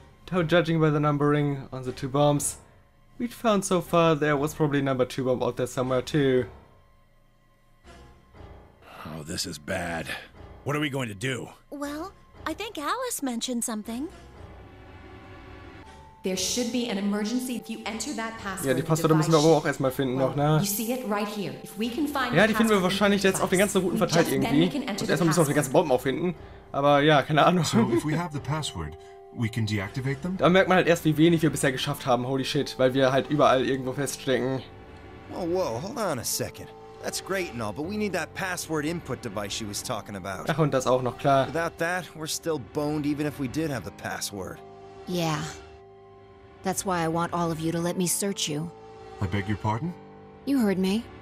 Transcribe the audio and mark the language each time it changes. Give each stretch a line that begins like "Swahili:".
English: Though judging by the numbering on the 2 bombs, we'd found so far there was probably number 2 bomb out there somewhere too. Oh, this is bad. What are we going to do? Well, I think Alice mentioned something. There should be an emergency if you enter that password.
German: Ja, die Passwörter müssen wir aber auch erstmal finden,
English: well,
German: noch, ne?
English: You see it right here. If we can find,
German: ja, die finden wir wahrscheinlich jetzt auf den ganzen Routen verteilt irgendwie. Und erstmal müssen wir auch den ganzen Bomben auffinden. Aber ja, keine Ahnung.
English: So, if we have the password, we can deactivate them?
German: Da merkt man halt erst, wie wenig wir bisher geschafft haben, holy shit, weil wir halt überall irgendwo feststecken.
English: Whoa, whoa, hold on a second. That's great and all, but we need that password input device she was talking about.
German: Ach, und das auch noch, klar.
English: Without that, we're still boned even if we did have the password. Yeah. That's why I want all of you to let me search you. I beg your pardon? You heard me.